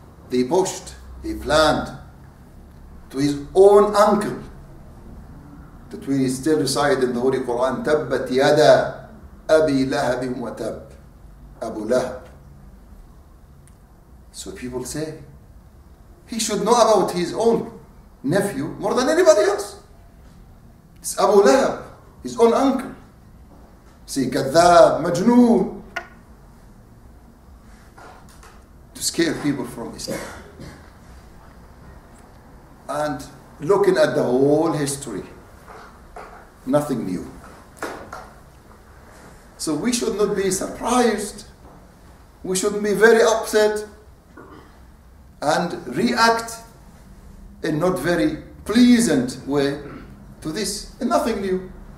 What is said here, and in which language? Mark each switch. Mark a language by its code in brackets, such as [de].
[en] They pushed, they planned to his own uncle that we still recite in the Holy Quran, [ar] تَبَّتْ يَدَى أَبِي لَهَبٍ وَتَبْ أَبُو لَهَبْ. [en] So people say, he should know about his own nephew more than anybody else. It's Abu Lahab, his own uncle. See, [ar] كذاب, مجنون. [en] To scare people from Islam. And looking at the whole history, nothing new. So we should not be surprised. We shouldn't be very upset and react in not very pleasant way to this, and nothing new.